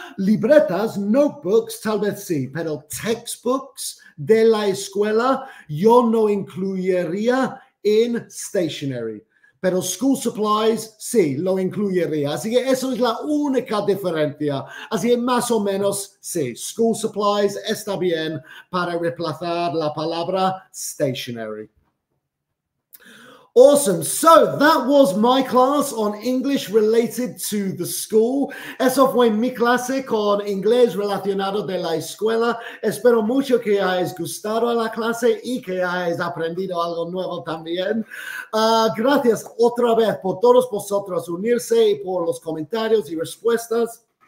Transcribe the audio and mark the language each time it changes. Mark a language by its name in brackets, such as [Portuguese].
[Spanish] Libretas, notebooks, tal vez sí, pero textbooks de la escuela yo no incluiría en stationery. Pero school supplies, sí, lo incluiría. Así que eso es la única diferencia. Así que más o menos, sí, school supplies está bien para reemplazar la palabra stationery. [English] Awesome. So that was my class on English related to the school. [Spanish] Eso fue mi clase con inglés relacionado de la escuela. Espero mucho que hayas gustado la clase y que hayas aprendido algo nuevo también. Gracias otra vez por todos vosotros unirse y por los comentarios y respuestas.